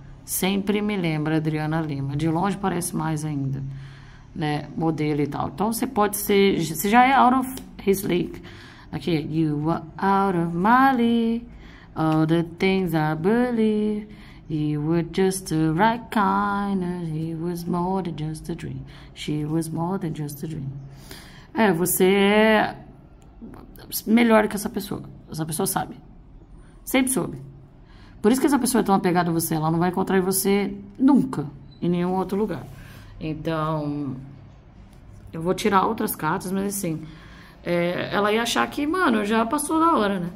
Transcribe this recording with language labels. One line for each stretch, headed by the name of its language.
Portuguese: Sempre me lembra Adriana Lima. De longe parece mais ainda, né? Modelo e tal. Então você pode ser. Você já é
English: out of his league.
Portuguese: Aqui.
English: You were out of my league. All the things I believe. You were just the right kind. He was more than just a dream. She was more than just a dream.
Portuguese: Você é melhor que essa pessoa. Essa pessoa sabe. Sempre soube. Por isso que essa pessoa é tão apegada a você. Ela não vai encontrar você nunca, em nenhum outro lugar. Então, eu vou tirar outras cartas, mas assim, ela ia achar que, mano, já passou da hora, né?